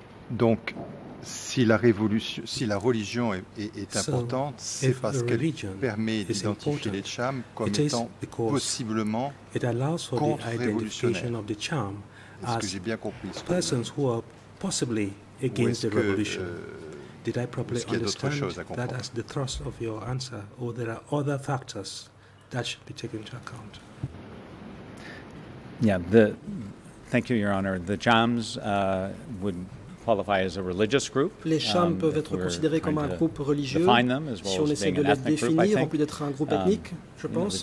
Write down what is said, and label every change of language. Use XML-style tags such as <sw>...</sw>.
<fr>Donc, si la révolution, si la religion est importante, so c'est parce qu'elle permet d'identifier les Cham comme étant possiblement contre-révolutionnaires. Est-ce que j'ai bien compris ce que vous dites? Ou est-ce qu'il y a d'autres choses à comprendre?</fr> <en>Thrust of your answer, or there are other factors that should be taken into account? Yeah, thank you, Your Honor. The Chams would qualify as a religious group.</en> <fr>Les Cham peuvent être considérés comme un groupe religieux.</fr> <en>Them, as well</en> <fr>si on</fr> <en>as</en> <fr>essaie de les définir, en plus d'être un groupe ethnique, je pense.</fr>